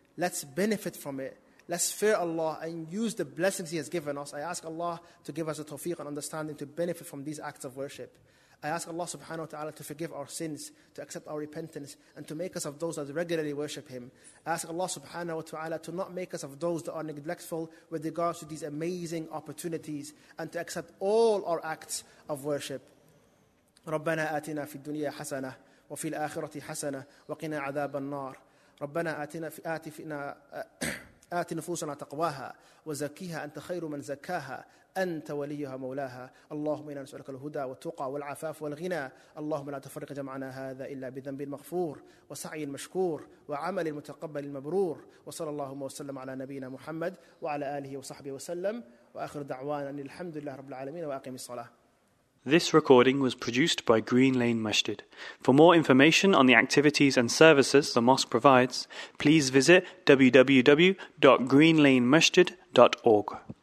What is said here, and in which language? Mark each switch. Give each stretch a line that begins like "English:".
English: Let's benefit from it. Let's fear Allah and use the blessings He has given us. I ask Allah to give us a tawfiq and understanding to benefit from these acts of worship. I ask Allah subhanahu wa ta'ala to forgive our sins, to accept our repentance, and to make us of those that regularly worship Him. I ask Allah subhanahu wa ta'ala to not make us of those that are neglectful with regards to these amazing opportunities, and to accept all our acts of worship.
Arabic: ربنا آتنا في الدنيا حسنة وفي الآخرة حسنة وقنا عذاب النار. ربنا آتنا في آتنا آت نفوسنا تقواها وزكيها أنت خير من زكاها أنت وليها مولاها اللهم إنا نسألك الهدى والتقى والعفاف والغنى اللهم لا تفرق جمعنا هذا إلا بذنب مغفور وسعي مشكور وعمل متقبل مبرور وصلى الله وسلم على نبينا محمد وعلى آله وصحبه وسلم وآخر دعوانا أن الحمد لله رب العالمين وأقيم الصلاة.
English: This recording was produced by Green Lane Masjid. For more information on the activities and services the mosque provides, please visit www.greenlanemasjid.org.